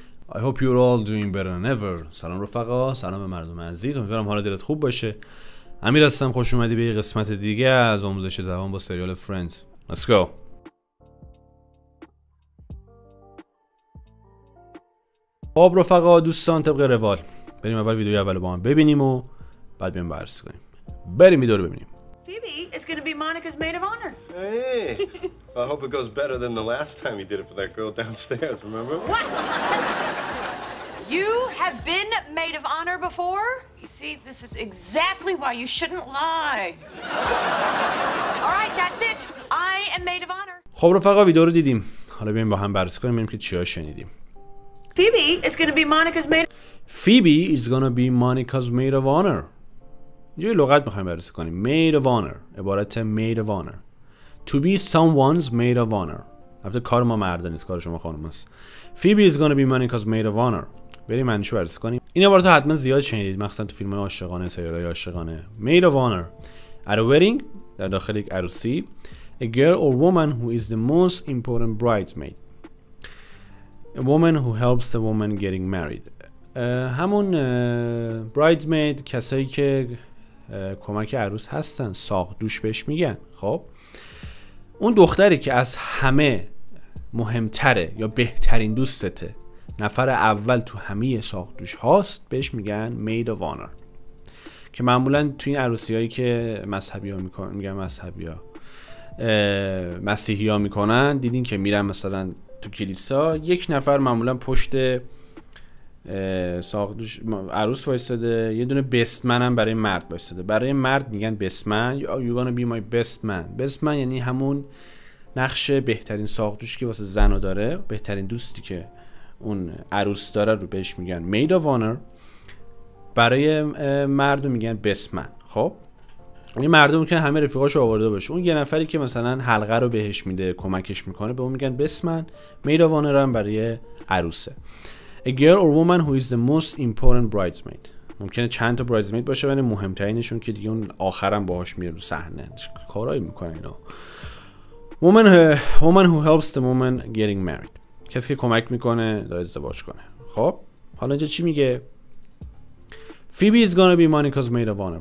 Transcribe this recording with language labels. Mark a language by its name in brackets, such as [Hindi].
[English] I hope you're all doing better than ever. [Persian] سلام رفقا، سلام مردم عزیز. امیدوارم حال دلت خوب باشه. امیر هستم، خوش اومدی به یه قسمت دیگه از آموزش زبان با سریال فرندز. [English] Let's go. [Persian] خب رفقا، دوستان، طبق روال بریم اول ویدیوی اول با هم ببینیم و بعد بیم بررسی کنیم. بریم ویدیو رو ببینیم. [English] Phoebe is going to be Monica's maid of honor. Hey, I hope it goes better than the last time you did it for that girl downstairs, remember? What? You have been maid of honor before? You see, this is exactly why you shouldn't lie. All right, that's it. I am maid of honor. [Persian] خب رفقا، ویدیو رو دیدیم. حالا بیاییم با هم بررسی کنیم، بیاییم که چیا شنیدیم. [English] Phoebe is going to be Monica's maid... Phoebe is going to be Monica's maid of honor. [Persian] اینجا یه لغت میخواییم بررسی کنیم. [English] Maid of honor، [Persian] عبارت [English] maid of honor. To be someone's maid of honor. [Persian] البته کار ما مرده نیست، کار شما خانم است. [English] Phoebe is gonna be Monica's maid of honor. [Persian] بریم معنیشو بررسی کنیم. این عبارت حتما زیاد شنیدید، مخصوصا تو فیلم های عاشقانه، سریال های عاشقانه. [English] Maid of honor. At a wedding، [Persian] در داخل یک عروسی. [English] A girl or woman who is the most important bridesmaid. A woman who helps the woman getting married. [Persian] همون bridesmaid، کسایی که کمک عروس هستن، ساق دوش بهش میگن. خب اون دختری که از همه مهمتره یا بهترین دوستته، نفر اول تو همه ساق دوش هاست، بهش میگن maid of honor. که معمولا تو این عروسی هایی که مذهبی ها میکنن، میگن مذهبی ها، مسیحی ها میکنن، دیدین که میرن مثلا تو کلیسا، یک نفر معمولا پشت ساقدوش عروس وایستده، یه دونه بستمن هم برای مرد وایستده. برای مرد میگن بستمن، [English] you gonna be my bestman. [Persian] بستمن یعنی همون نقش بهترین ساقدوش که واسه زن داره، بهترین دوستی که اون عروس داره رو بهش میگن maid of honor. برای مرد میگن بستمن. خب این مردم که همه رفیقاشو آورده باشه، اون یه نفری که مثلا حلقه رو بهش میده، کمکش میکنه، به اون میگن بستمن. maid of honor هم برای عروسه. [English] A girl or woman who is the most important bridesmaid. [Persian] ممکنه چند تا bridesmaid باشه، ولی مهمترینشون که دیگه اون آخرم باهاش میره رو صحنه، کارایی میکنه اینا. [English] Woman who helps the woman getting married. [Persian] کسی که کمک میکنه دا ازدواج کنه. خب حالا اینجا چی میگه؟ [English] Phoebe is gonna be Monica's maid of honor.